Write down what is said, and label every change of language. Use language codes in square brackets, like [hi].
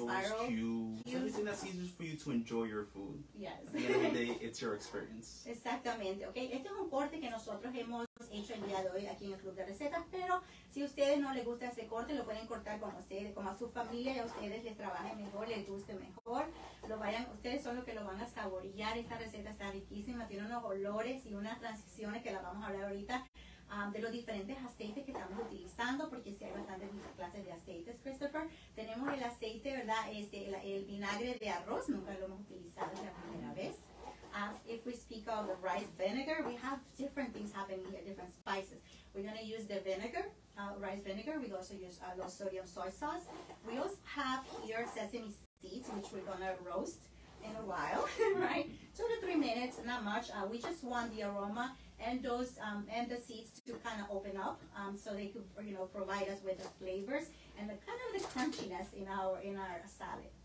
[en] Spirals, cubes, anything that's easier for you to enjoy your food. Yes. At the end of the day, it's your experience. [es] Exactamente, okay? Este es un corte que nosotros hemos hecho el día de hoy aquí en el Club de Recetas, pero si a ustedes no les gusta ese corte, lo pueden cortar con ustedes, como a su familia, y a ustedes les trabaje mejor, les guste mejor. Ustedes son los que lo van a saborear. Esta receta está riquísima, tiene unos olores y unas transiciones que la vamos a hablar ahorita. De los diferentes aceites que estamos utilizando, porque sí hay bastantes clases de aceites, Christopher. Tenemos el aceite, ¿verdad? El vinagre de arroz, nunca lo hemos utilizado la primera vez. [en] If we speak of the rice vinegar, we have different things happening here, different spices. We're going to use the vinegar, rice vinegar. We also use low sodium soy sauce. We also have here sesame seeds, which we're gonna roast in a while, right? 2 to 3 minutes, not much. We just want the aroma and those and the seeds to kind of open up, so they could, you know, provide us with the flavors and the kind of the crunchiness in our salad.